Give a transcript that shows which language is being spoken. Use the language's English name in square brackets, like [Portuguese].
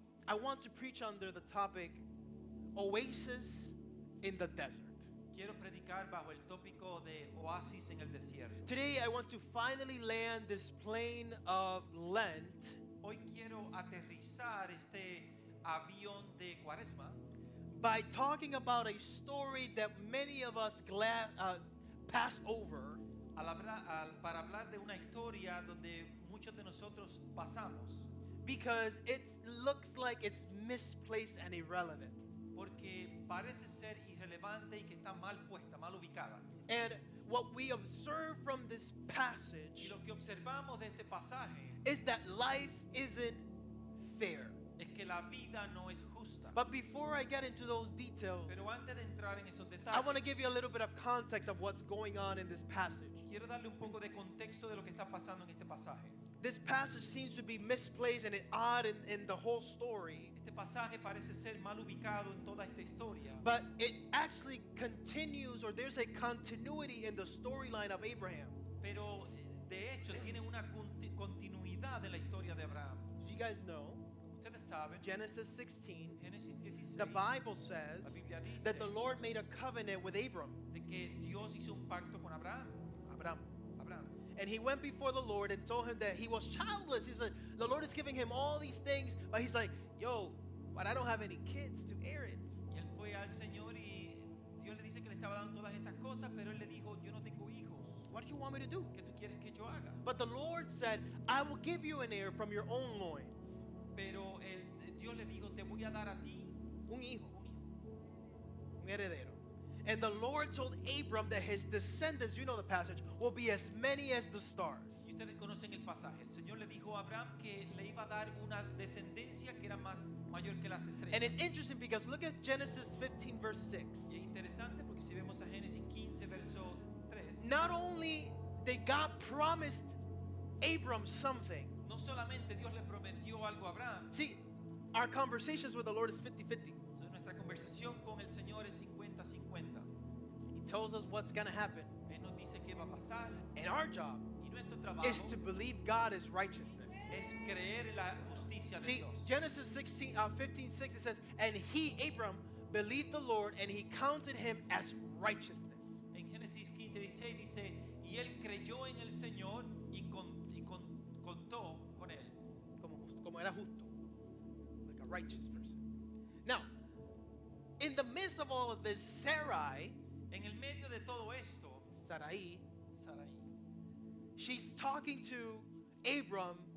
[English] I want to preach under the topic, Oasis in the Desert. [Spanish] Quiero predicar bajo el tópico de Oasis en el desierto. [English] Today, I want to finally land this plane of Lent. [Spanish] Hoy quiero aterrizar este avión de Cuaresma [English] by talking about a story that many of us pass over. [Spanish] Para hablar de una historia donde muchos de nosotros pasamos. [English] Because it looks like it's misplaced and irrelevant. [Spanish] Porque parece ser irrelevante y que está mal puesta, mal ubicada. [English] And what we observe from this passage, [Spanish] y lo que observamos de este pasaje, [English] is that life isn't fair. [Spanish] Es que la vida no es justa. [English] But before I get into those details, [Spanish] pero antes de entrar en esos detalles, [English] I want to give you a little bit of context of what's going on in this passage. [Spanish] Quiero darle un poco de contexto de lo que está pasando en este pasaje. [English] This passage seems to be misplaced and odd in the whole story. [Spanish] Este pasaje parece ser mal ubicado en toda esta historia. [English] But it actually continues, or there's a continuity in the storyline of Abraham. [Spanish] Pero de hecho tiene una continuidad de la historia de Abraham. [English] Do you guys know? [Spanish] Ustedes saben. [English] Genesis 16. [Spanish] Genesis 16. [English] The Bible says, [Spanish] la Biblia dice, [English] that the Lord made a covenant with Abram. [Spanish] De que Dios hizo un pacto con Abraham. [English] Abraham. [Spanish] Abraham. [English] And he went before the Lord and told him that he was childless. He said, the Lord is giving him all these things, but he's like, yo, but I don't have any kids to heir it. [Spanish] Y él fue al Señor y Dios le dice que le estaba dando todas estas cosas, pero él le dijo, yo no tengo hijos. [English] What do you want me to do? [Spanish] ¿Qué tú quieres que yo haga? [English] But the Lord said, I will give you an heir from your own loins. [Spanish] Pero el Dios le dijo, te voy a dar a ti un hijo, un hijo, un heredero. [English] And the Lord told Abram that his descendants, you know the passage, will be as many as the stars. [Spanish] Y ustedes conocen el pasaje. El Señor le dijo a Abraham que le iba a dar una descendencia que era más mayor que las estrellas. [English] And it's interesting because look at Genesis 15 verse 6. [Spanish] Y es interesante porque si vemos a Génesis 15 verso 3. [English] Not only did God promise Abram something. [Spanish] No solamente Dios le prometió algo a Abraham. [English] See, our conversations with the Lord is 50-50. [Spanish] Nuestra conversación con el Señor es 50-50. [English] He tells us what's going to happen. [Spanish] Él nos dice qué va a pasar. [English] And our job [Spanish] y nuestro trabajo [English] is to believe God is righteousness. [Spanish] Es creer la justicia de [English] See, [Spanish] Dios. [English] Genesis 15:6, it says, and he, Abram, believed the Lord, and he counted him as righteousness. [Spanish] En Génesis 15:6 dice, y él creyó en el Señor y contó con él. Como era justo. [English] Like a righteous person. Now, in the midst of all of this, Sarai, [Spanish] en el medio de todo esto, [English] Sarai, she's talking to Abram.